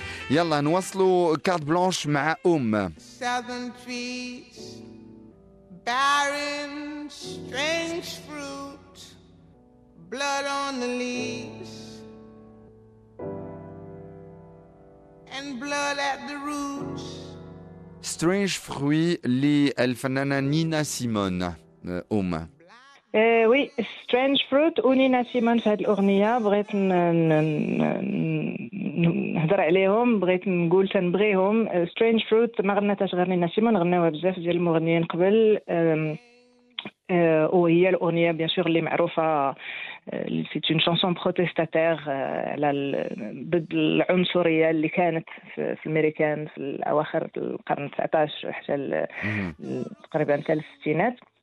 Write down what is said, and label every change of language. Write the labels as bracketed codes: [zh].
[ar] يلا نوصلوا كارت بلانش مع أم. [en] Seven trees barren strange fruit blood on the leaves and blood at the roots. [ar] Strange fruit للفنانة نينا سيمون. أم وي strange fruit ونينا سيمون في هذه الأغنية بغيت نهضر عليهم، بغيت نقول تنبغيهم. Strange Fruit ما غنيتهاش غير نينا سيمون، غنيوها بزاف ديال المغنيين قبل، وهي الأغنية [fr] بيان سور [ar] اللي معروفة، [fr] سي اون شانسون بروتيستاتير [ar] على ضد العنصرية اللي كانت في الأمريكان في أواخر القرن 19 حتى تقريبا حتى الستينات.